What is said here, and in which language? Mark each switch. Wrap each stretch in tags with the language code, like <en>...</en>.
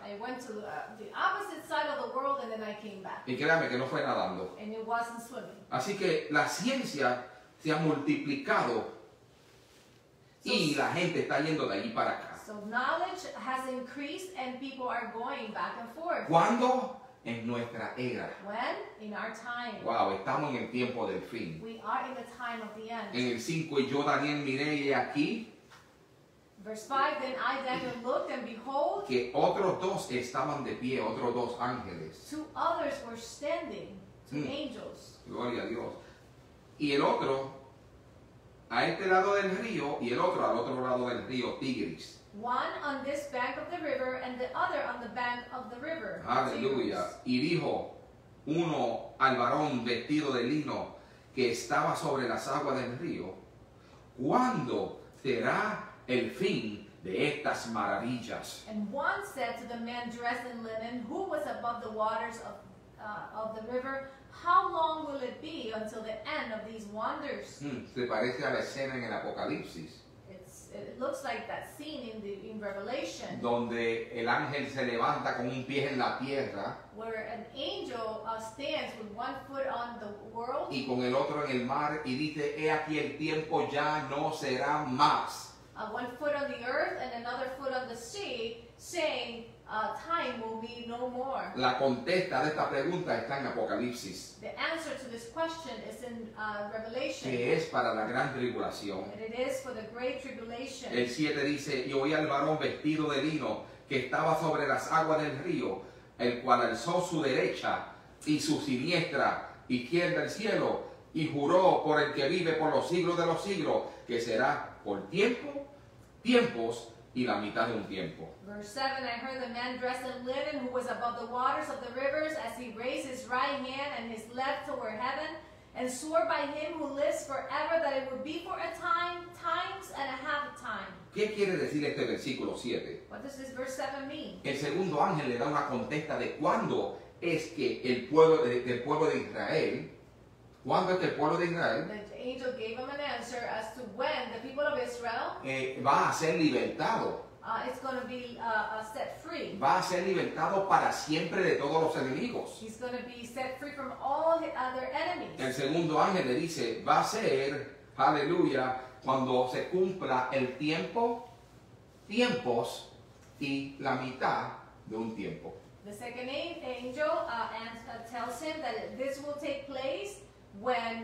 <en>I went to the opposite side of the world and then I came back.</en> <es>Y créame que no fue nadando.</es> <en>And it wasn't swimming.</en> <es>Así que la ciencia se ha multiplicado y la gente está yendo de allí para acá.</es> <en>So knowledge has increased and people are going back and forth.</en> <es>¿Cuándo? En nuestra era.</es> <en>When? In our time.</en> <es>Wow, estamos en el tiempo del fin.</es> <en>We are in the time of the end.</en> <es>En el 5, y yo Daniel miré y aquí.</es> <en>Verse 5, then I Daniel looked and behold.</en> <es>Que otros dos estaban de pie, otros dos ángeles.</es> <en>Two others were standing, two angels.</en> <es>Gloria a Dios. Y el otro, a este lado del río, y el otro al otro lado del río, Tigris.</es> <en>One on this bank of the river, and the other on the bank of the river.</en> <es>Aleluya. Y dijo uno al varón vestido de lino que estaba sobre las aguas del río, ¿cuándo será el fin de estas maravillas?</es> <en>And one said to the man dressed in linen who was above the waters of the river, how long will it be until the end of these wonders?</en> <es>Se parece a la escena en el Apocalipsis.</es> <en>It looks like that scene in Revelation.</en> <es>Donde el ángel se levanta con un pie en la tierra.</es> <en>Where an angel stands with one foot on the world.</en> <es>Y con el otro en el mar y dice, he aquí el tiempo ya no será más.</es> <en>One foot on the earth and another foot on the sea, saying, time will be no more.</en> <es>La contesta de esta pregunta está en Apocalipsis.</es> <en>The answer to this question is in Revelation.</en> <es>Que es para la gran tribulación.</es> <en>And it is for the great tribulation.</en> <es>El 7 dice, y oí al varón vestido de lino que estaba sobre las aguas del río, el cual alzó su derecha y su siniestra izquierda el cielo, y juró por el que vive por los siglos de los siglos, que será por tiempo, tiempos, y la mitad de un tiempo.</es> <en>Verse 7, I heard the man dressed in linen who was above the waters of the rivers as he raised his right hand and his left toward heaven and swore by him who lives forever that it would be for a time, times and a half a time.</en> <es>¿Qué quiere decir este versículo 7?</es> <en>What does this verse 7 mean?</en> <es>El segundo ángel le da una contesta de cuándo es que el pueblo del pueblo de Israel, cuándo es que el pueblo de Israel,</es> <en>angel gave him an answer as to when the people of Israel</en> <es>va a ser libertado.</es> <en>It's going to be set free.</en> <es>Va a ser libertado para siempre de todos los enemigos.</es> <en>He's going to be set free from all the other enemies.</en> <es>El segundo ángel le dice, va a ser, aleluya, cuando se cumpla el tiempo, tiempos y la mitad de un tiempo.</es> <en>The second angel tells him that this will take place when</en>